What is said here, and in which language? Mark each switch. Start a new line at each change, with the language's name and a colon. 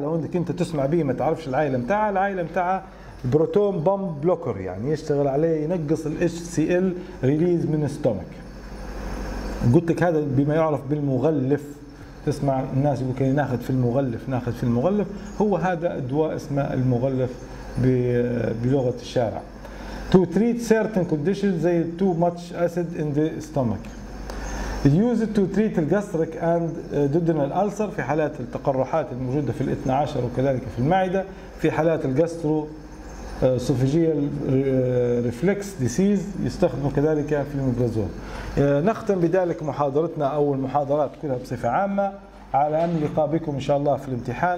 Arabic: لو انك انت تسمع به ما تعرفش العائلة متاعها، العائلة متاعها بروتون بامب بلوكر، يعني يشتغل عليه ينقص ال HCL ريليز من الستومك. قلت لك هذا بما يعرف بالمغلف، تسمع الناس يقول كي ناخذ في المغلف، هو هذا الدواء اسمه المغلف بلغة الشارع.
English: To treat certain conditions, they have too much acid in the stomach. They use it to treat the gastric and duodenal ulcer
Arabic: في حالات التقرحات الموجودة في الاثنى عشر وكذلك في المعدة، في حالات الجاسترو سوفيجيال ريفلكس ديسيز يستخدم كذلك في الميبرازول. نختم بذلك محاضرتنا أو المحاضرات كلها بصفة عامة، على أمل لقاء بكم إن شاء الله في الامتحان.